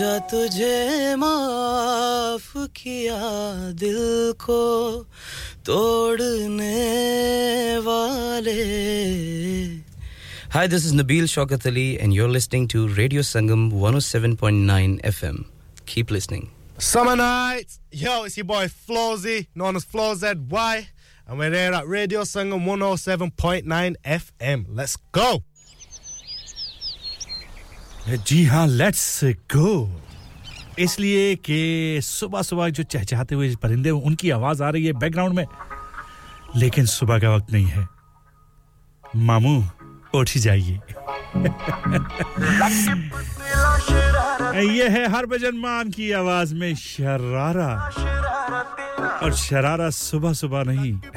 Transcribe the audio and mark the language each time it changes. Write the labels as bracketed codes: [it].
[hi] तुझे माफ किया दिल को तोड़ने वाले [en] Hi, this is Nabeel Shaukat Ali and you're listening to Radio Sangam 107.9 FM. Keep listening. Summer nights. Yo, it's your boy Flozy, known as FloZY, and we're here at Radio Sangam 107.9 FM. Let's go. [hi] जी हाँ, [en] let's go. [hi] इसलिए कि सुबह सुबह जो चहचहाते हुए परिंदे उनकी आवाज आ रही है बैकग्राउंड में लेकिन सुबह का वक्त नहीं है मामू उठ ही जाइए ये है हरभजन मान की आवाज में शरारा और शरारा सुबह सुबह नहीं